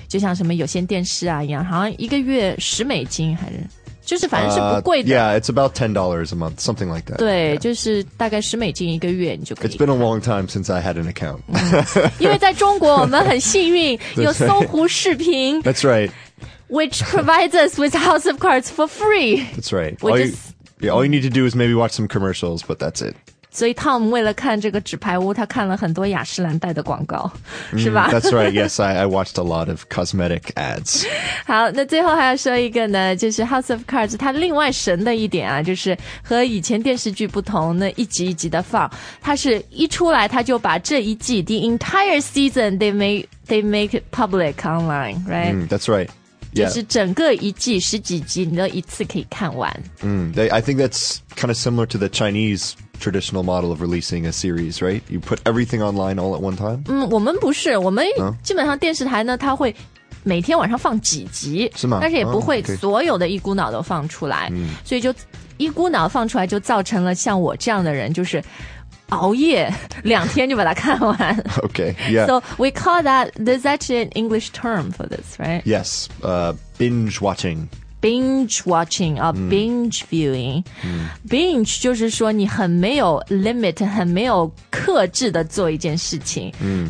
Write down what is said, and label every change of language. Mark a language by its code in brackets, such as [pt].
[zh] 就像什么有线电视啊一样，好像一个月$10还是，就是反正是不贵的。 [en] Yeah, it's about $10 a month, something like that. [zh] 对、yeah. 就是大概$10一个月你就可以。 [en] It's been a long time since I had an account.、 [zh] 嗯、因为在中国我们很幸运有搜狐视频。 [en] That's right. Which provides us with House of Cards for free. That's right. All you need to do is maybe watch some commercials, but that's it. [zh] 所以 Tom 为了看这个纸牌屋，他看了很多雅诗兰黛的广告，是吧？ [en] That's right. Yes, I watched a lot of cosmetic ads. [zh] 好，那最后还要说一个呢，就是 House of Cards 它另外神的一点啊，就是和以前电视剧不同，那一集一集的放，它是一出来它就把这一季 [en] the entire season they make it public online, right?、 [zh] Mm, [en] that's right. Yeah. [zh] 就是整个一季十几集你都一次可以看完、 [en] mm, I think that's kind of similar to the Chinese traditional model of releasing a series, right? You put everything online all at one time? [zh] 嗯，我们不是，我们基本上电视台呢它会每天晚上放几集，是吗？但是也不会所有的一股脑都放出来、 [en] oh, okay. [zh] 所以就一股脑放出来就造成了像我这样的人就是熬夜两天就把它看完。 [en] Okay, yeah. So we call that, there's actually an English term for this, right? Yes, binge watching. Binge watching, or、mm. binge viewing.、 Mm. [zh] Binge 就是说你很没有 limit, 很没有克制的做一件事情。 Mm.